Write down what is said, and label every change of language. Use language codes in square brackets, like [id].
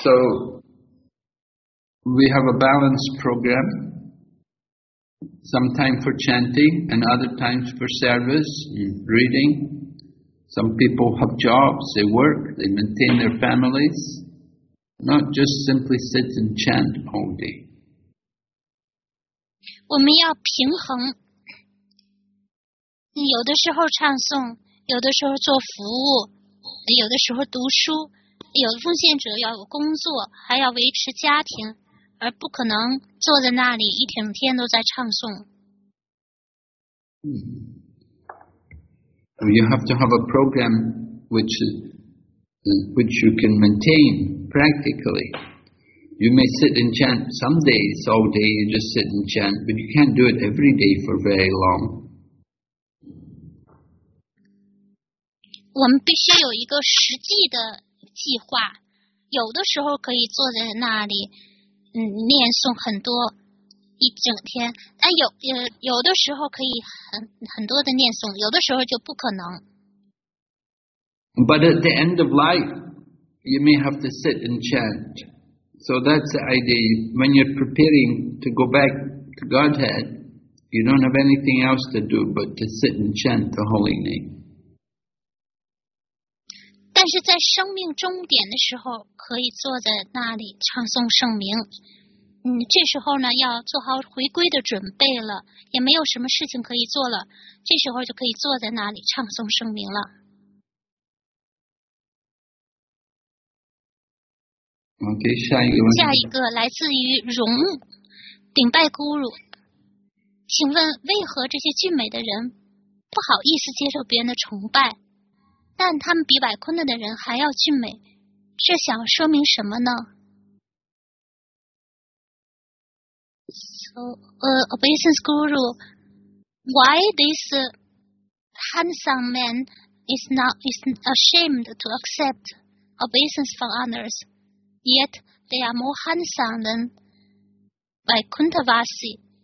[en] So, We have a balanced program. Some time for chanting and other times for service, reading. Some people have jobs, they work, they maintain their families. Not just simply sit and chant all day. [zh] 我们要平衡，有的时候唱诵，有的时候做服务，有的时候读书，有的奉献者要有工作，还要维持家庭，而不可能坐在那里一整天都在唱诵。 [en] You have to have a program which you can maintain practically. You may sit and chant some days, all day, you just sit and chant, but you can't do it every day for very long. [zh] 我们必须有一个实际的计划，有的时候可以坐在那里念诵很多一整天，但有的时候可以很多的念诵，有的时候就不可能。 [en] But at the end of life, you may have to sit and chant. So that's the idea. When you're preparing to go back to Godhead, you don't have anything else to do but to sit and chant the holy name. [zh] 但是在生命终点的时候，可以坐在那里唱诵圣名。这时候呢，要做好回归的准备了，也没有什么事情可以做了，这时候就可以坐在那里唱诵圣名了。 OK, 下一个问题。下一个来自于荣顶拜孤乳，请问为何这些俊美的人不好意思接受别人的崇拜，但他们比百坤的人还要俊美，这想说明什么呢？ [en] So, obeisance guru, why this handsome man is ashamed to accept obeisance from others, yet they are more handsome than Vaikunthavasi?